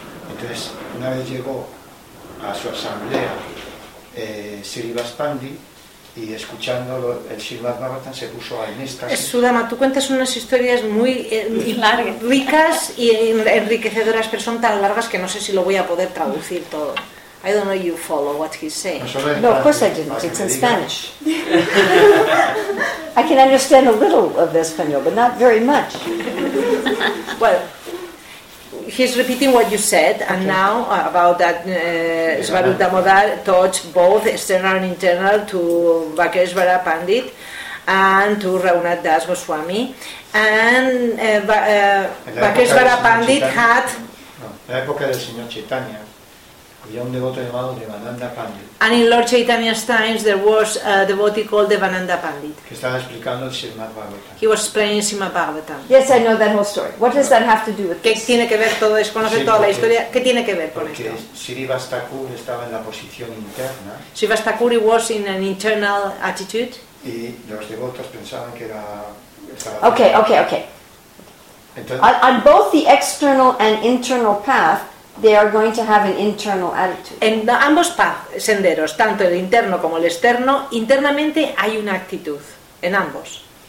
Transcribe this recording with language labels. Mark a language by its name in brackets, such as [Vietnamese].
[Spanish] Entonces, una vez llegó a su asamblea Srivas Pandit, y escuchando el Srivas Bhagavatam se puso en éxtasis. Sudama, tú cuentas unas historias muy ricas y enriquecedoras, pero son tan largas que no sé si lo voy a poder traducir todo. [English] I don't know if you follow what he's saying. No, of course I didn't. It's in Spanish. I can understand a little of the Espanol, but not very much. Well, he's repeating what you said, and okay. Now about that Svarupa Modar taught both external and internal to Vakeshvara Pandit and to Raghunath Das Goswami. And Vakeshvara Pandit had... [Spanish] La época del señor Chaitanya, había un devoto llamado Devananda Pandit. [English] And in Lord Chaitanya's times, there was a devotee called Devananda Pandit. [Spanish] Que estaba explicando el Srimad Bhagavatam. [English] He was explaining Srimad Bhagavatam. Yes, I know that whole story. What does that have to do with this? [Spanish] ¿Qué tiene que ver todo esto? ¿Conoce toda la historia? ¿Qué tiene que ver con esto? Porque Srivas Thakur estaba en la posición interna. [English] Srivas Thakur was in an internal attitude. [Spanish] Y los devotos pensaban que era... [English] Okay. [Spanish] Entonces, [English] on both the external and internal path, they are going to have an internal attitude. [Spanish] En ambos senderos, tanto el interno como el externo, internamente hay una actitud, en ambos.